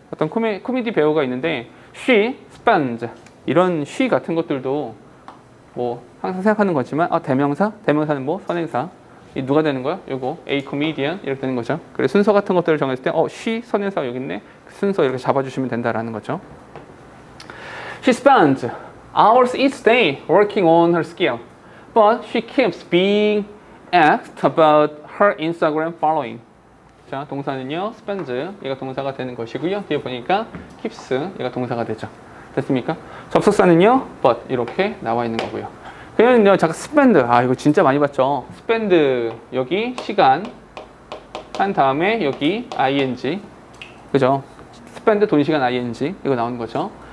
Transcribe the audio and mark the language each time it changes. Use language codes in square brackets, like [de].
[ko] 어떤 코미디 배우가 있는데 [en] she spends [ko] 이런 she 같은 것들도 뭐 항상 생각하는 거지만 대명사? 대명사는 뭐 선행사? 이 누가 되는 거야? 이거 [en] A comedian [ko] 이렇게 되는 거죠. 그래 순서 같은 것들을 정했을 때 she 선행사가 여기 있네. 순서 이렇게 잡아주시면 된다라는 거죠. [en] She spends hours each day working on her skill. But she keeps being asked about her Instagram following. [ko] 자, 동사는요, spends. 얘가 동사가 되는 것이고요. 뒤에 보니까 keeps. 얘가 동사가 되죠. 됐습니까? 접속사는요, but. 이렇게 나와 있는 거고요. 그러면요, 잠깐 spend. 아, 이거 진짜 많이 봤죠? spend. 여기 시간. 한 다음에 여기 ing. 그죠? spend 돈 시간 ing. 이거 나오는 거죠.